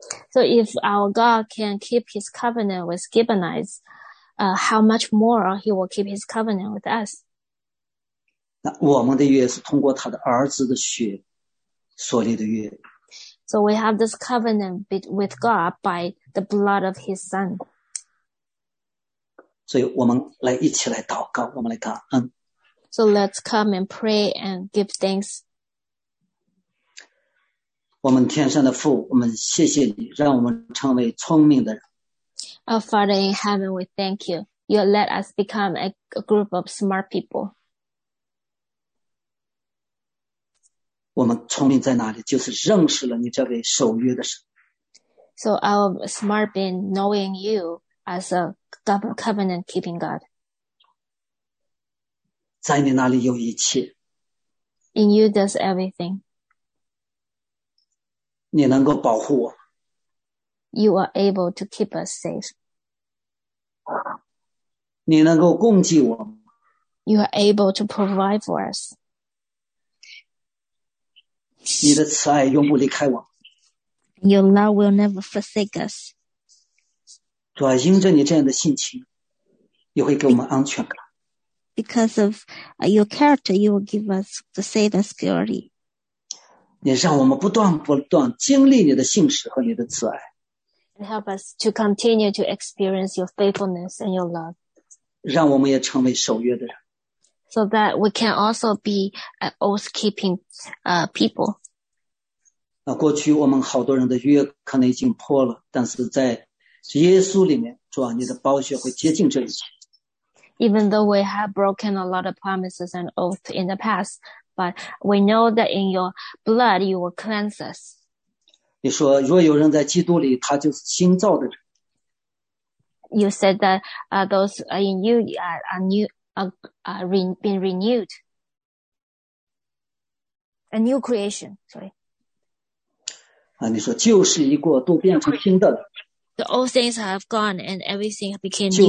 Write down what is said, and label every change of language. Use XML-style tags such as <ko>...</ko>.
<en>So if our God can keep his covenant with Gibeonites, how much more he will keep his covenant with us?</en> <zh>那我们的约是通过他的儿子的血所立的约。</zh> <en>So we have this covenant with God by the blood of his son.</en> <zh>所以我们来一起来祷告，我们来感恩。</zh> <en>So let's come and pray and give thanks.</en> <zh>我们天上的父，我们谢谢你，让我们成为聪明的人。</zh> <en>Our Father in heaven, we thank you. You let us become a group of smart people.</en> <zh>我们聪明在哪里？就是认识了你这位守约的神。</zh> <en>So our smart being knowing you as a covenant-keeping God.</en> <zh>在你那里有一切。</zh> <en>In you does everything.</en> <zh>你能够保护我。</zh> <en>You are able to keep us safe.</en> <zh>你能够供给我。</zh> <en>You are able to provide for us.</en> <zh>你的慈爱永不离开我。</zh> <en>Your love will never forsake us.</en> <zh>主啊，因着你这样的性情，你会给我们安全感。</zh> <en>Because of your character, you will give us the safe and security.</en> <zh>你让我们不断不断经历你的信实和你的慈爱。</zh> <en>And help us to continue to experience your faithfulness and your love.</en> <zh>让我们也成为守约的人。</zh> <en>So that we can also be an oath-keeping, people.</en> <zh>那过去我们好多人的约可能已经破了，但是在耶稣里面，主啊，你的宝血会洁净这一切。</zh> <en>Even though we have broken a lot of promises and oaths in the past,But we know that in your blood, you will cleanse us.</en> <zh>你说，若有人在基督里，他就是新造的人。</zh> <en>You said that those in you are being renewed. A new creation, sorry.</en> <zh>你说，旧事已过，都变成新的了。</zh> <en>The old things have gone and everything became new.</en>